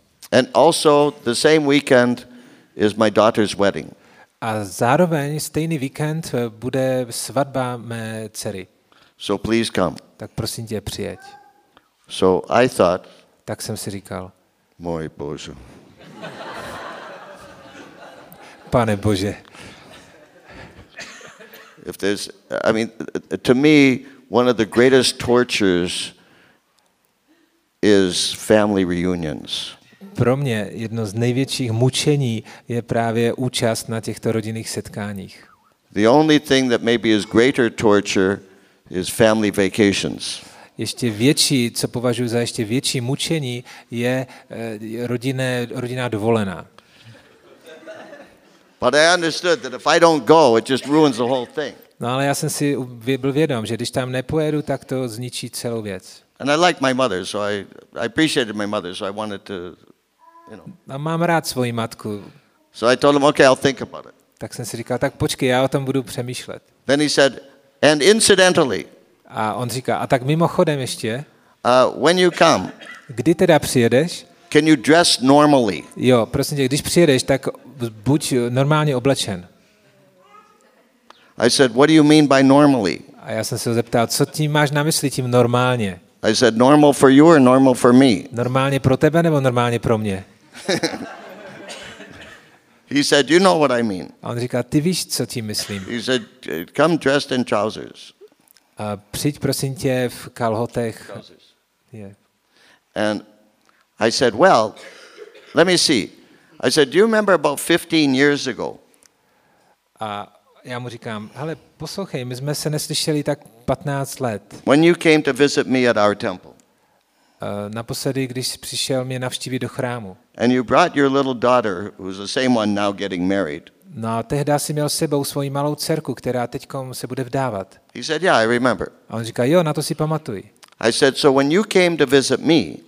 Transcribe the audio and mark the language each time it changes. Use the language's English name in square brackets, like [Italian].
[English] And also the same weekend is my daughter's wedding. [Czech] A zároveň stejný víkend bude svatba mé dcery. [English] So please come. [Czech] Tak prosím tě, přijeď. [English] So I thought. [Czech] Tak jsem si říkal. Můj Bože. Pane Bože. [English] If there's, I mean, to me, one of the greatest tortures is family reunions. [Czech] Pro mě jedno z největších mučení je právě účast na těchto rodinných setkáních. [English] The only thing that maybe is greater torture is family vacations. [Czech] Ještě větší, co považuji za ještě větší mučení, je rodinná dovolená. [English] But I understood that if I don't go, it just ruins the whole thing. [Czech] No, ale já jsem si byl vědom, že když tam nepojedu, tak to zničí celou věc. [English] And I like my mother, so I appreciated my mother, so I wanted to, you know. [Czech] A mám rád svoji matku. [English] So I told him, okay, I'll think about it. [Czech] Tak jsem si říkal, tak počkej, já o tom budu přemýšlet. [English] Then he said, and incidentally. [Czech] A on říká, a tak mimochodem ještě. [English] When you come. [Czech] Kdy teda přijedeš? [English] Can you dress normally? [Czech] Jo, prosím tě, když přijedeš, tak buď normálně oblečen. [English] I said, what do you mean by normally? [Czech] A já jsem se ho zeptal, co tím máš na mysli tím normálně? [English] I said, normal for you or normal for me? [Czech] Normálně pro tebe nebo normálně pro mě? [English] He said, you know what I mean. [Czech] A on říká, ty víš, co tím myslím. [English] He said, come dressed in trousers. [Czech] A přijď prosím tě v kalhotech. [English] And I said, well, let me see. I said, do you remember about 15 years ago? [Czech] A já mu říkám, hele, poslouchej, my jsme se neslyšeli tak 15 let. [English] When you came to visit me at our temple. [Czech] Naposledy, když jsi přišel mě navštívit do chrámu. [English] And you brought your little daughter, who's the same one now getting married. [Czech] No, a tehdy jsi měl s sebou svoji malou dcerku, která teďkom se bude vdávat. [English] He said, yeah, I remember. [Czech] A on říká, jo, na to si pamatuj. [English] I said, so when you came to visit me.